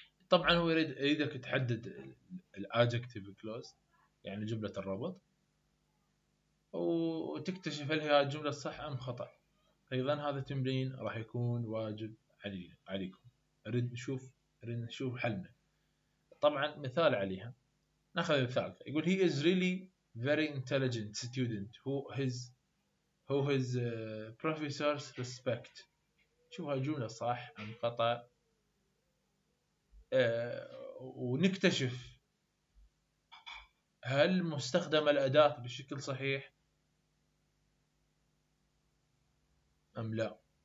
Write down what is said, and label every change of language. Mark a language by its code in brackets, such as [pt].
[ar] طبعا هو يريدك تحدد الـ adjective clause يعني جملة الربط، وتكتشف هل هذه الجملة صح أم خطأ. أيضا هذا التمرين راح يكون واجب عليكم، أريد نشوف حلنا. طبعا مثال عليها، ناخذ مثال. [en] يقول he is really very intelligent student who his professors respect. [ar] شوف هاي الجملة صح أم خطأ، ونكتشف هل مستخدم الأداة بشكل صحيح أم لا.